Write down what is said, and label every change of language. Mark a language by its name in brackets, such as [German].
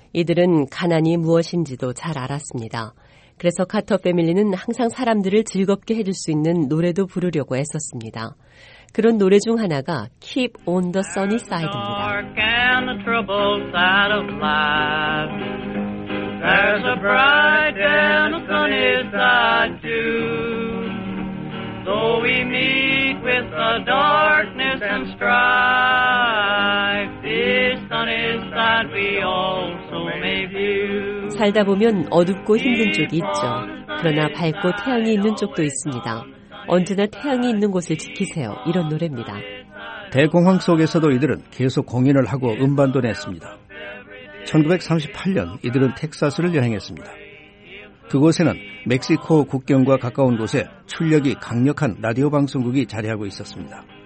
[Korean] 이들은 가난이 무엇인지도 잘 알았습니다. 그래서 카터 패밀리는 항상 사람들을 즐겁게 해줄 수 있는 노래도 부르려고 애썼습니다. 그런 노래 중 하나가 Keep on the Sunny Side입니다. [English] There's a bright and a sunny side too. Though we meet with the darkness and strife, this sunny side we also may view. [Korean] 살다 보면 어둡고 힘든 쪽이 있죠. 그러나 밝고 태양이 있는 쪽도 있습니다. 언제나 태양이 있는 곳을 지키세요. 이런 노래입니다. 대공황 속에서도 이들은 계속 공연을 하고 음반도 냈습니다. 1938년 이들은 텍사스를 여행했습니다. 그곳에는 멕시코 국경과 가까운 곳에 출력이 강력한 라디오 방송국이 자리하고 있었습니다.